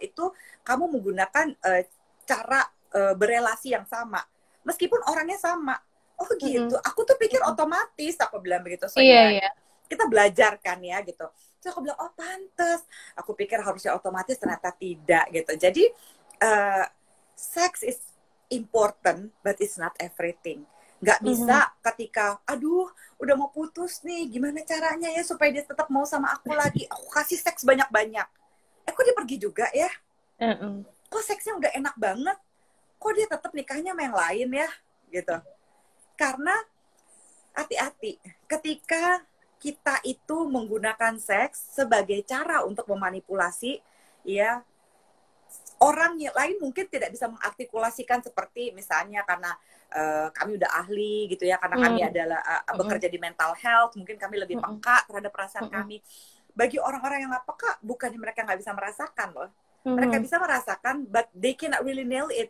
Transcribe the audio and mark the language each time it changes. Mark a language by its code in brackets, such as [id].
[id] Itu kamu menggunakan cara berelasi yang sama, meskipun orangnya sama. Oh gitu, aku tuh pikir otomatis, aku bilang begitu. Soalnya kita belajar kan ya gitu. Terus aku bilang, oh pantes, aku pikir harusnya otomatis, ternyata tidak gitu. [en] Jadi sex is important, but it's not everything. [id] Gak bisa ketika, aduh udah mau putus nih, gimana caranya ya supaya dia tetap mau sama aku lagi, aku kasih seks banyak-banyak, eh kok dia pergi juga ya, kok seksnya udah enak banget, kok dia tetap nikahnya sama yang lain ya, gitu. Karena hati-hati, ketika kita itu menggunakan seks sebagai cara untuk memanipulasi, ya, orang lain mungkin tidak bisa mengartikulasikan seperti misalnya karena kami udah ahli gitu ya, karena kami adalah bekerja di mental health, mungkin kami lebih peka terhadap perasaan kami. Bagi orang-orang yang gak peka, bukannya mereka gak bisa merasakan loh. Mereka bisa merasakan, [en] but they cannot really nail it.